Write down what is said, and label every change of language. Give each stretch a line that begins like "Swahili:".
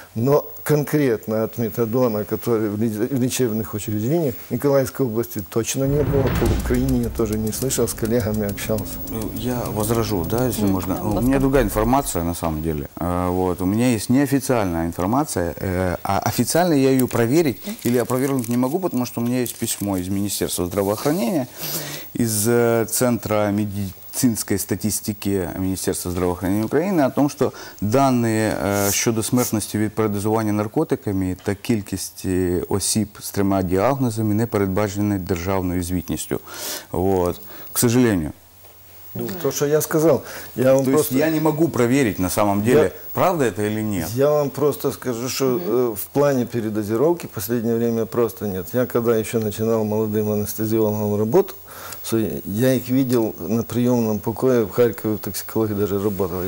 Russian: Но конкретно от метадона, который в лечебных учреждениях в Николаевской области точно не было, по Украине я тоже не слышал, с коллегами общался. Я возражу, да, если можно. У меня другая информация на самом деле. Вот. У меня есть неофициальная информация, а официально я ее проверить или опровергнуть не могу, потому что у меня есть письмо из Министерства здравоохранения, из Центра медицины. Медицинской статистики Министерства здравоохранения Украины о том, что данные
Ukrainian: щодо смертності від передозування наркотиками та кількості осіб з трьома діагнозами не передбачені державною звітністю.
Russian: Вот. К сожалению. Ну, то, что я сказал. Я вам то просто... есть я не могу проверить на самом деле, правда это или нет. Я вам просто скажу, что в плане передозировки в последнее время просто нет. Я когда еще начинал молодым анестезиологом работу, я их видел на приемном покое в Харькове, в токсикологии даже работал.